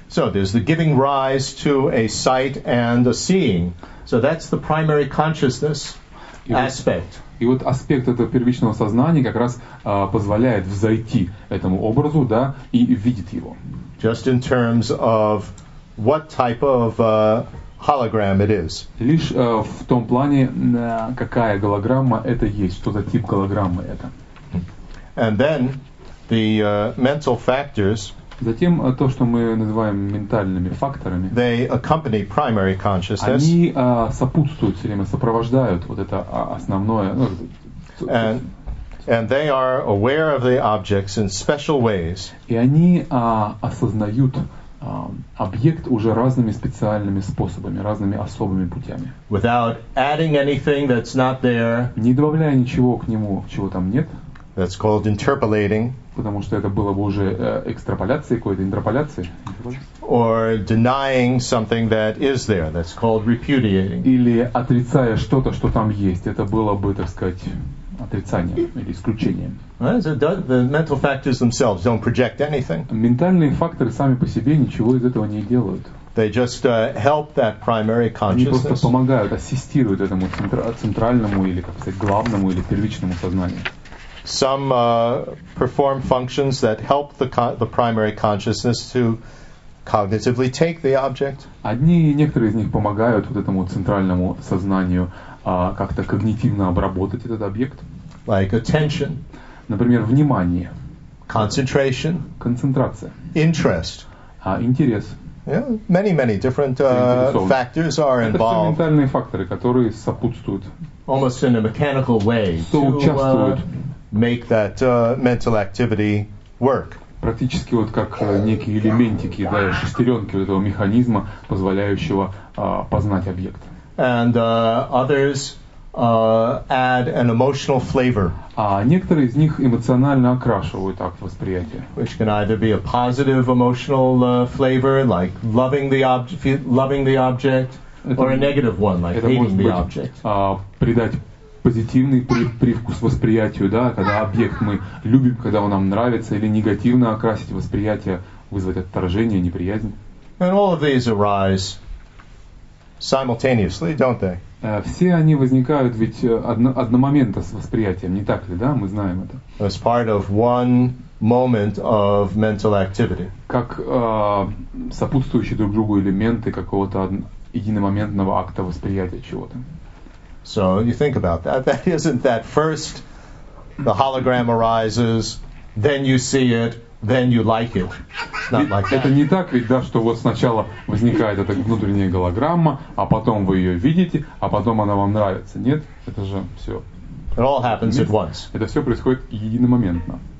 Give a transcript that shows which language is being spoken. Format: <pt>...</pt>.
<en>So there's the giving rise to a sight and a seeing. So that's the primary consciousness aspect.</en> <ru>И вот аспект этого первичного сознания как раз позволяет взойти этому образу, да, и видит его.</ru> <en>Just in terms of what type of hologram it is.</en> <ru>Лишь в том плане, какая голограмма это есть, что за тип голограммы это.</ru> <en>And then the mental factors.</en> <ru>Затем то, что мы называем ментальными факторами,</ru> <en>they accompany primary consciousness.</en> <ru>Они сопутствуют все время, сопровождают вот это основное.</ru> <en>And they are aware of the objects in special ways.</en> <ru>И они осознают объект уже разными специальными способами, разными особыми путями.</ru> <en>Without adding anything that's not there.</en> <ru>Не добавляя ничего к нему, чего там нет.</ru> <en>That's called interpolating.</en> <ru>Потому что это было бы уже экстраполяцией, какой-то интерполяцией.</ru> <en>Or denying something that is there. That's called repudiating.</en> <ru>Или отрицая что-то, что там есть. Это было бы, так сказать, отрицанием или исключением.</ru> <en>The mental factors themselves don't project anything.</en> <ru>Ментальные факторы сами по себе ничего из этого не делают.</ru> <en>They just help that primary consciousness.</en> <ru>Они просто помогают, ассистируют этому центральному или, как сказать, главному или первичному сознанию.</ru> <en>Some perform functions that help the primary consciousness to cognitively take the object.</en> <ru>Одни и некоторые из них помогают вот этому центральному сознанию как-то когнитивно обработать этот объект.</ru> <en>Like attention.</en> <ru>Например, внимание.</ru> <en>Concentration.</en> <ru>Концентрация.</ru> <en>Interest.</en> <ru>Интерес.</ru> <en>Yeah, many, many different factors are involved.</en> <ru>Это ментальные факторы, которые сопутствуют.</ru> <en>Almost in a mechanical way.</en> <ru>Соучаствуют.</ru> <en>Make that mental activity work.</en> <ru>Практически вот как некие элементики, да, шестеренки вот этого механизма, позволяющего познать объект.</ru> <en>And others add an emotional flavor.</en> <ru>А некоторые из них эмоционально окрашивают акт восприятия.</ru> <en>Which can either be a positive emotional flavor, like loving the object, or a negative one, like hating the object.</en> <ru>Это может быть придать позитивный привкус восприятию, да, когда объект мы любим, когда он нам нравится, или негативно окрасить восприятие, вызвать отторжение, неприязнь.</ru> <en>And all of these arise simultaneously, don't they?</en> <ru>Все они возникают ведь одномоментно с восприятием, не так ли, да? Мы знаем это.</ru> <en>As part of one moment of mental activity.</en> <ru>Как сопутствующие друг другу элементы какого-то единомоментного акта восприятия чего-то.</ru> <en>So you think about that. That isn't that first the hologram arises, then you see it, then you like it. It's not like that.</en> <ru>Это не так ведь, да, что вот сначала возникает эта внутренняя голограмма, а потом вы ее видите, а потом она вам нравится. Нет, это же все.</ru> <en>It all happens at once.</en> <ru>Это все происходит единомоментно.</ru>